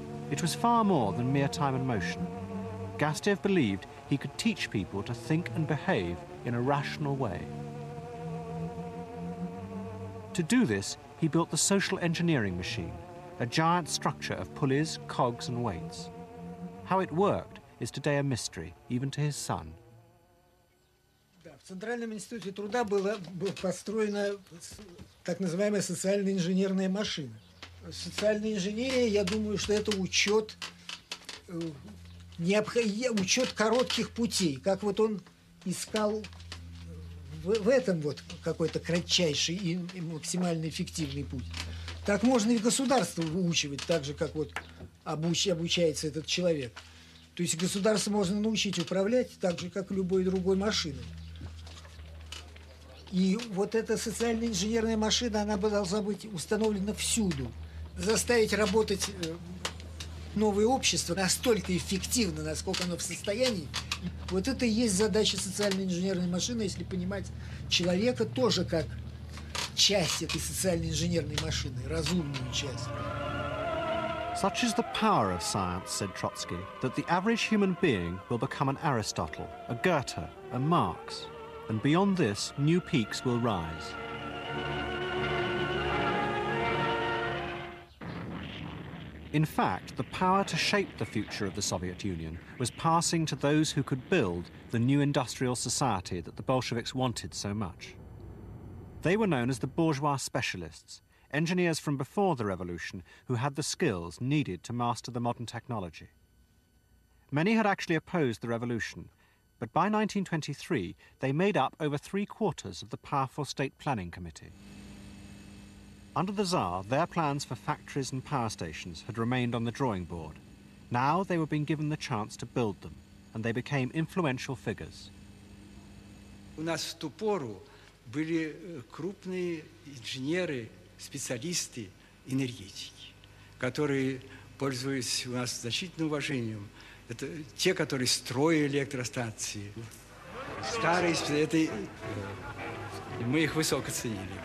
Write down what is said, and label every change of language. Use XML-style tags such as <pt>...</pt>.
<en>It was far more than mere time and motion. Gastev believed he could teach people to think and behave in a rational way. To do this, he built the social engineering machine, a giant structure of pulleys, cogs, and weights. How it worked is today a mystery, even to his son.</en> <ru>В Центральном институте труда была построена так называемая социально-инженерная машина. Социальная инженерия, я думаю, что это учет учет коротких путей, как вот он искал в этом вот какой-то кратчайший и максимально эффективный путь. Так можно и государство выучивать, так же, как вот обучается этот человек. То есть государство можно научить управлять так же, как любой другой машиной. И вот эта социально-инженерная машина, она должна быть установлена всюду. Заставить работать новое общество настолько эффективно, насколько оно в состоянии. Вот это и есть задача социально-инженерной машины, если понимать человека тоже как часть этой социально-инженерной машины, разумную часть.</ru> <en>Such is the power of science, said Trotsky, that the average human being will become an Aristotle, a Goethe, a Marx. And beyond this, new peaks will rise. In fact, the power to shape the future of the Soviet Union was passing to those who could build the new industrial society that the Bolsheviks wanted so much. They were known as the bourgeois specialists, engineers from before the revolution who had the skills needed to master the modern technology. Many had actually opposed the revolution, but by 1923, they made up over three quarters of the powerful state planning committee. Under the Tsar, their plans for factories and power stations had remained on the drawing board. Now they were being given the chance to build them, and they became influential figures.</en> <ru>У нас в ту пору были крупные инженеры, специалисты энергетики, которые пользуются у нас значительным уважением. Это те, которые строили электростанции. Старые специалисты, это, мы их высоко ценили.</ru>